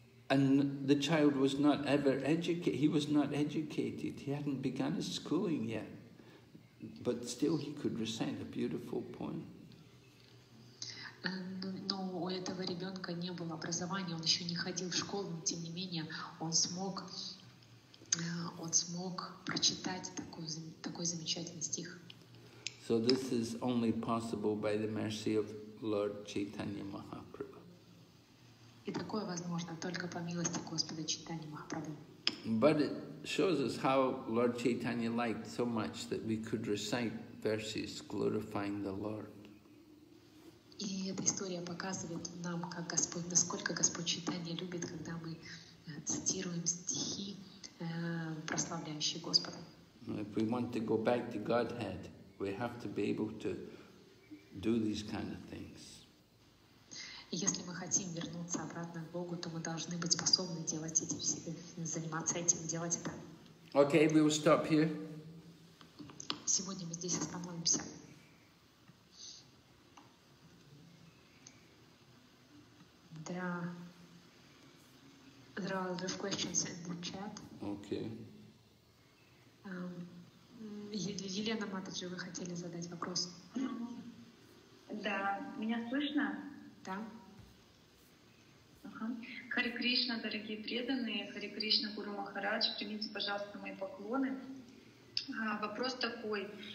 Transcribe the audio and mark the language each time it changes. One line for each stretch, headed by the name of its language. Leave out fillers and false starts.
English: And the child was not ever educated. He was not educated. He hadn't begun his schooling yet. But still he could recite a beautiful poem.
Russian: Но у этого ребенка не было образования, он еще не ходил в школу, но тем не менее он смог прочитать такой замечательный стих.
English: So this is only possible by the mercy of Lord Chaitanya Mahaprabhu.
Russian: И такое возможно только по милости Господа Чайтаньи Махапрабху.
English: But it shows us how Lord Chaitanya liked so much that we could recite verses glorifying the Lord.
Russian: И эта история показывает нам, как Господь, насколько Господь Чайтанья любит, когда мы цитируем стихи, прославляющие Господа.
English: If we want to go back to Godhead, we have to be able to do these kind of things.
Russian: Если мы хотим вернуться обратно к Богу, то мы должны быть способны делать эти все, заниматься этим, делать это.
English: Okay, we will stop here.
Russian: Сегодня мы здесь остановимся.
English: There are a lot of questions in the chat. Okay.
Russian: Елена Матаджи, вы хотели задать вопрос? Да, меня слышно? Да. Хари Кришна, дорогие преданные, Хари Кришна, Гуру Махарадж, примите, пожалуйста, мои поклоны. Вопрос такой.